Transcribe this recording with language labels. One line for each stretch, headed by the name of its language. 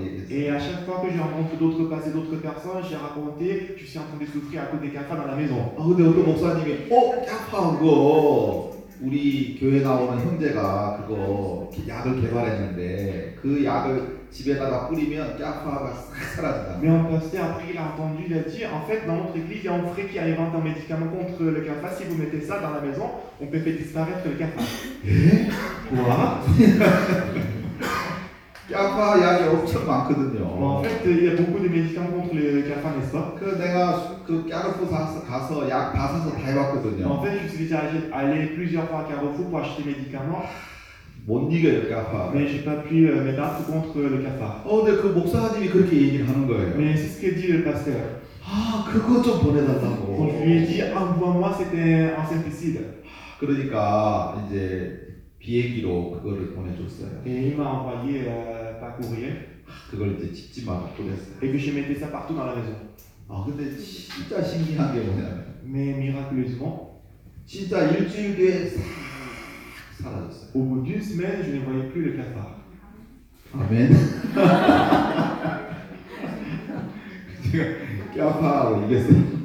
French: Et à chaque fois que j'ai rencontré d'autres passés, d'autres personnes, j'ai raconté que je suis en train de souffrir à cause des cafards dans la maison. Ah, mais un pasteur dit, oh, cafard, go!
Korean: 우리 교회 나오는 형제가 그거 약을 개발했는데 그 약을 집에다가 뿌리면 깨파가 싹 사라진다.
French: Mais un pasteur après il a entendu, il a dit, en fait, dans notre église, il y a un frère qui a inventé un médicament contre le cafard. Si vous mettez ça dans la maison, on peut faire disparaître le cafard. Quoi?
Korean: CAFA 약이 엄청 많거든요.
French: Il y a beaucoup de médicaments contre les CAFA, n'est-ce pas?
Korean: 그 내가 그 캐르푸르 가서 약 받아서 다 해봤거든요.
French: En fait, je suis allé plusieurs fois à Carrefour pour acheter des médicaments.
Korean: 못 이겨요, CAFA.
French: Mais j'ai pas pu me battre contre le CAFA.
Korean: 근데 그 목사님이 그렇게 얘기를 하는 거예요.
French: Mais c'est ce que dit le pasteur.
Korean: 아, 그거 좀 보내달라고.
French: Donc je lui ai dit, envoie-moi, c'était un simplicide.
Korean: 그러니까 이제 비행기로 그거를 보내줬어요.
French: Et il m'a envoyé par courrier.
Korean: 그걸 이제 집집마다 보냈어요.
French: Et que j'ai metté ça partout dans la maison.
Korean: 아, 근데 진짜 신기한 게 뭐냐면.
French: Mais miraculeusement.
Korean: 진짜 일주일 뒤에 싹 사라졌어요.
French: Au bout d'une semaine, je ne voyais plus le cafard. Amen.
Korean: 제가 cafard로 이겼어요.